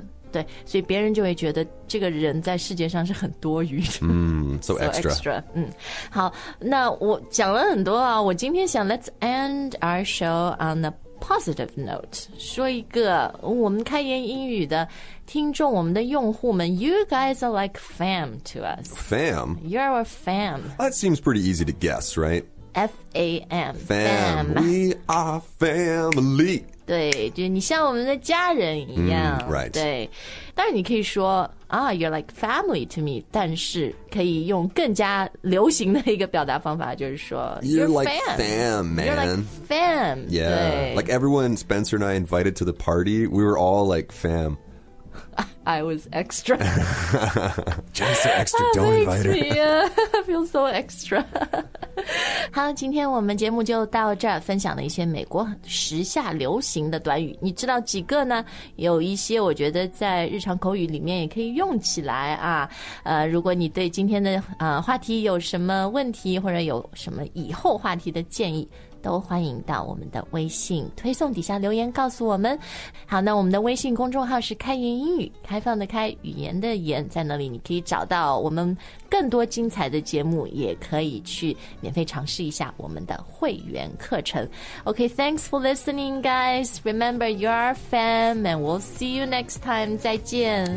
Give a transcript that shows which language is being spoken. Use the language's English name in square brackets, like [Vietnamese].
[Chinese] 对，所以别人就会觉得这个人在世界上是很多余的。 [English] 嗯、so extra. So extra. [Chinese] 嗯，好，那我讲了很多啊。我今天想 [English] let's end our show on a positive note. [Chinese] 说一个我们开言英语的听众，我们的用户们 ， [English] you guys are like fam to us. Fam. You're our fam. That seems pretty easy to guess, right? F-A-M. Fam. We are family. [Chinese] 对，就你像我们的家人一样、 [English] mm, right. [Chinese] 对，但是你可以说 [English] you're like family to me, [Chinese] 但是可以用更加流行的一个表达方法，就是说 [English] you're like fam. Fam, man. You're like fam. Yeah, like everyone Spencer and I invited to the party, we were all like fam. I was extra. Just extra, don't invite her. Me, I feel so extra. [Chinese] 好，今天我们节目就到这儿，分享了一些美国时下流行的短语，你知道几个呢？有一些我觉得在日常口语里面也可以用起来啊。如果你对今天的话题有什么问题，或者有什么以后话题的建议，都欢迎到我们的微信推送底下留言告诉我们。好，那我们的微信公众号是开言英语，开放的开，语言的言，在那里你可以找到我们更多精彩的节目，也可以去免费尝试一下我们的会员课程。 [English] OK, thanks for listening guys. Remember you're a fam, and we'll see you next time. [Chinese] 再见。